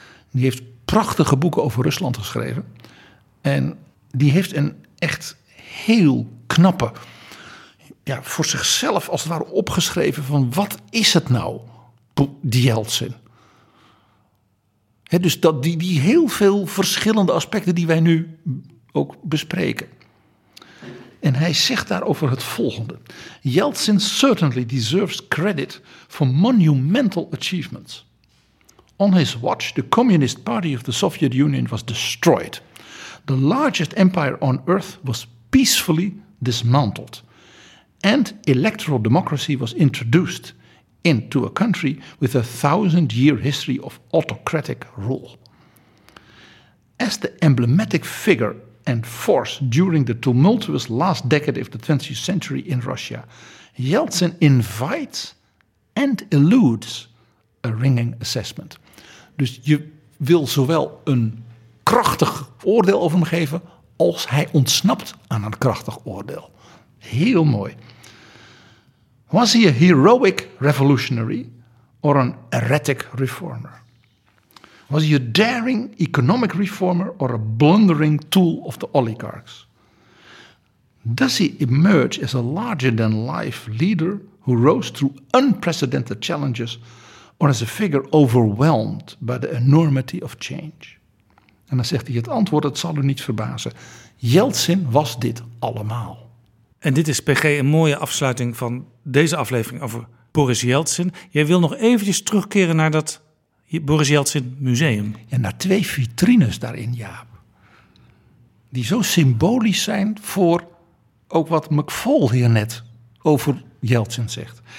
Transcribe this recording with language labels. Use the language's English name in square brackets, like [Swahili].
[Dutch] Die heeft prachtige boeken over Rusland geschreven. En die heeft een echt heel knappe, ja, voor zichzelf als het ware opgeschreven van wat is het nou, die Yeltsin? Dus dat die heel veel verschillende aspecten die wij nu ook bespreken. En hij zegt daarover het volgende. [English] Yeltsin certainly deserves credit for monumental achievements. On his watch, the Communist Party of the Soviet Union was destroyed. The largest empire on earth was peacefully dismantled. And electoral democracy was introduced into a country with a 1,000-year history of autocratic rule. As the emblematic figure and force during the tumultuous last decade of the 20th century in Russia, Yeltsin invites and eludes a ringing assessment. [Dutch] Dus je wil zowel een krachtig oordeel over hem geven als hij ontsnapt aan een krachtig oordeel. Heel mooi. [English] Was he a heroic revolutionary or an erratic reformer? Was he a daring economic reformer or a blundering tool of the oligarchs? Does he emerge as a larger-than-life leader who rose through unprecedented challenges or as a figure overwhelmed by the enormity of change? [Dutch] En dan zegt hij het antwoord, het zal u niet verbazen. Yeltsin was dit allemaal. En dit is, PG, een mooie afsluiting van deze aflevering over Boris Yeltsin. Jij wil nog eventjes terugkeren naar dat Boris Yeltsin museum. En naar twee vitrines daarin, Jaap. Die zo symbolisch zijn voor ook wat McFaul hier net over Yeltsin zegt.